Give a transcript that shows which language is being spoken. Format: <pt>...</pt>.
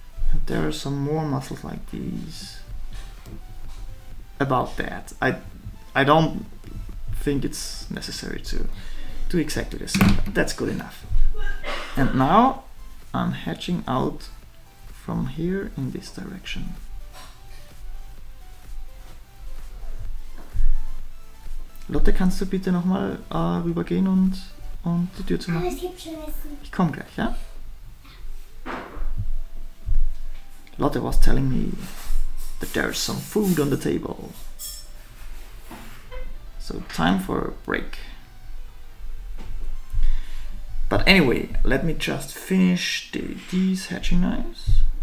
<en>And there are some more muscles like these. About that. I don't think it's necessary to do exactly the same. That's good enough. And now I'm hatching out from here in this direction.</en> <de>Lotte, kannst du bitte nochmal rübergehen und die Tür zu machen? Ich komme gleich, ja?</de> <en>Lotte was telling me that there's some food on the table. So time for a break. But anyway, let me just finish these hatching knives.</en>